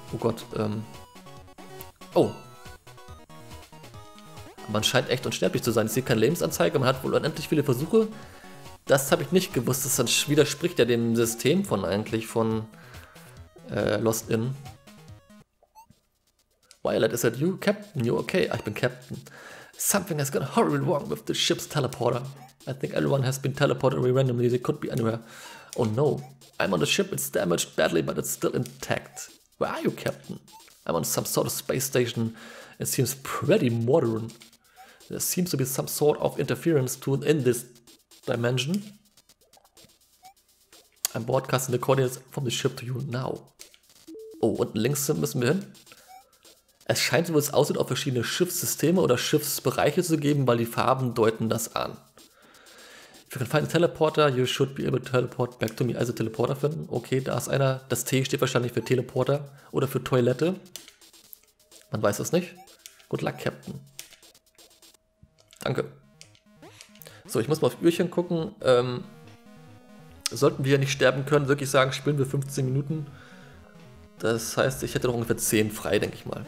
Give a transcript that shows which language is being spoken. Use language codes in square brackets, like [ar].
[de] Oh Gott, oh. Man scheint echt unsterblich zu sein. Ich sehe keine Lebensanzeige, man hat wohl unendlich viele Versuche. Das habe ich nicht gewusst, das dann widerspricht ja dem System von eigentlich von Lost Inn. [en] Violet, is that you? Captain, you okay? [de] Ah, ich bin Captain. [en] Something has gone horribly wrong with the ship's teleporter. I think everyone has been teleported away randomly. They could be anywhere. Oh no. I'm on the ship. It's damaged badly, but it's still intact. Where are you, Captain? I'm on some sort of space station. It seems pretty modern. There seems to be some sort of interference to in this dimension. I'm broadcasting the coordinates from the ship to you now. [de] Oh, unten links müssen wir hin. Es scheint so, wie es aussieht, auf verschiedene Schiffssysteme oder Schiffsbereiche zu geben, weil die Farben deuten das an. [en] If you can find a teleporter, you should be able to teleport back to me. [de] Also Teleporter finden. Okay, da ist einer. Das T steht wahrscheinlich für Teleporter oder für Toilette. Man weiß es nicht. [en] Good luck, Captain. [de] Danke. So, ich muss mal auf Öhrchen gucken. Sollten wir nicht sterben können, wirklich sagen, spielen wir 15 Minuten. Das heißt, ich hätte noch ungefähr 10 frei, denke ich mal.